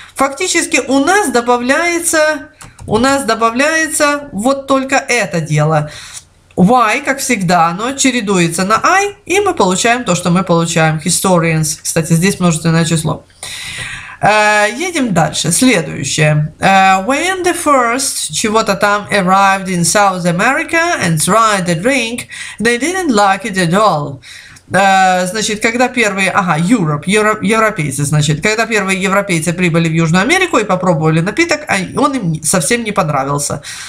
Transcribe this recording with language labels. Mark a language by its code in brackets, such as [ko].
[ru] Фактически у нас добавляется, вот только это дело. Y, как всегда, оно чередуется на I, и мы получаем то, что мы получаем. [en] Historians. [ru] Кстати, здесь множественное число. Едем дальше. Следующее. [en] When the first [ru] чего-то там [en] arrived in South America and tried the drink, they didn't like it at all. [ru] Значит, когда первые... европейцы, значит. Когда первые европейцы прибыли в Южную Америку и попробовали напиток, он им совсем не понравился.